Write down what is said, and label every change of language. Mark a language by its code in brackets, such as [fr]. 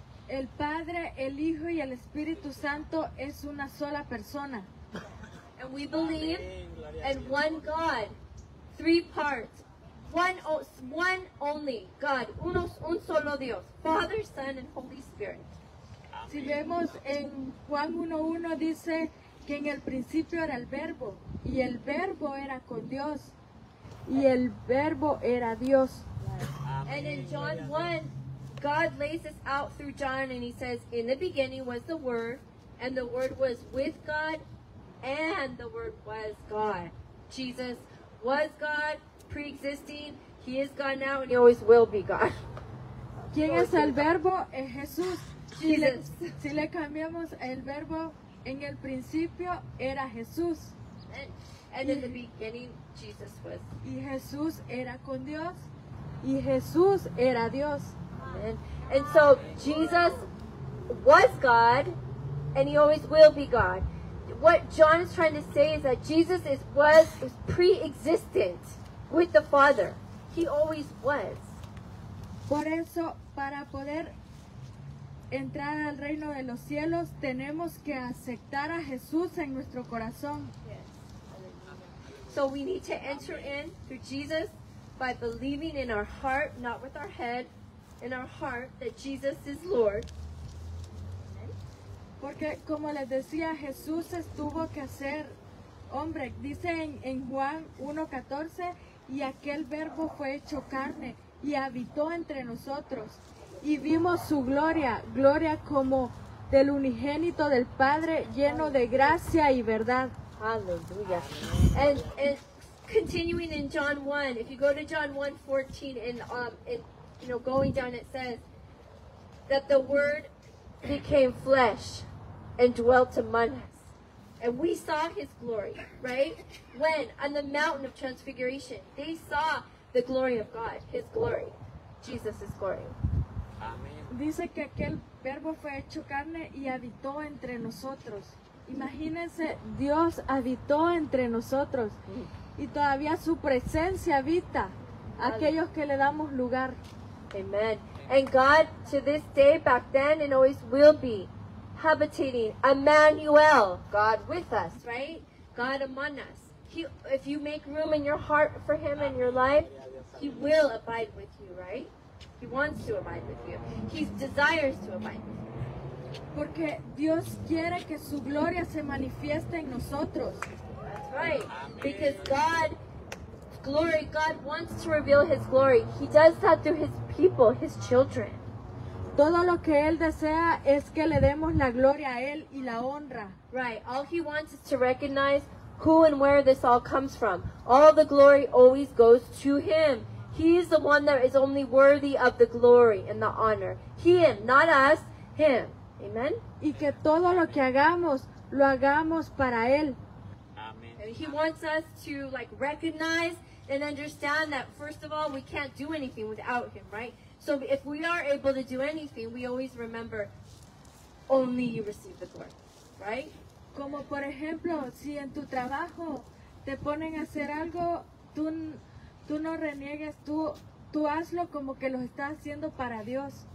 [es] El Padre, el Hijo y el Espíritu Santo es una sola persona. [en] And we believe in one God, three parts. One only God, [es] un solo Dios, [en] Father, Son, and Holy Spirit. [es] Si vemos en Juan 1:1 dice que en el principio era el Verbo, y el Verbo era con Dios, y el Verbo era Dios. [en] Amen. And in John 1, God lays this out through John, and He says, in the beginning was the Word, and the Word was with God, and the Word was God. Jesus was God. Pre-existing, He is God now, and He always will be God. [es] ¿Quién es el Verbo? Es Jesús. [en] Jesus. [es] Si le cambiamos el verbo, en el principio era Jesús. [en] And in the beginning, Jesus was. [es] Y Jesús era con Dios. Y Jesús era Dios. [en] And so Jesus was God, and He always will be God. What John is trying to say is that Jesus was pre-existent. With the Father, He always was. [es] Por eso, para poder entrar al reino de los cielos, tenemos que aceptar a Jesús en nuestro corazón. [en] Yes. So we need to enter in through Jesus by believing in our heart, not with our head, in our heart that Jesus is Lord. [es] Porque como les decía, Jesús tuvo que ser hombre. Dice en Juan 1:14. Y aquel verbo fue hecho carne y habitó entre nosotros y vimos su gloria, gloria como del unigénito del Padre, lleno de gracia y verdad. Aleluya. [en] And continuing in John 1, if you go to John 1:14 and going down, it says that the Word became flesh and dwelt among us, and we saw His glory, right? When on the mountain of transfiguration, they saw the glory of God, His glory, Jesus' glory. Amen. [es] Dice que aquel verbo fue hecho carne y habitó entre nosotros. Imagínense, Dios habitó entre nosotros y todavía su presencia habita aquellos que le damos lugar. [en] Amen. And God, to this day, back then, and always will be, habitating, Emmanuel, God with us, right? God among us. If you make room in your heart for Him in your life, He will abide with you, right? He wants to abide with you. He desires to abide with you. [es] Porque Dios quiere que su gloria se manifieste en nosotros. [en] That's right. Because God wants to reveal His glory. He does that through His people, His children. [es] Todo lo que Él desea es que le demos la gloria a Él y la honra. [en] Right. All He wants is to recognize who and where this all comes from. All the glory always goes to Him. He is the one that is only worthy of the glory and the honor. He, Him, not us, Him. Amen? [es] Y que todo lo que hagamos, lo hagamos para Él. [en] Amen. And He wants us to like recognize and understand that, first of all, we can't do anything without Him, right? So if we are able to do anything, we always remember, only You receive the glory, right? [es] Como por ejemplo, si en tu trabajo te ponen a hacer algo, tú no reniegues, tú hazlo como que lo estás haciendo para Dios.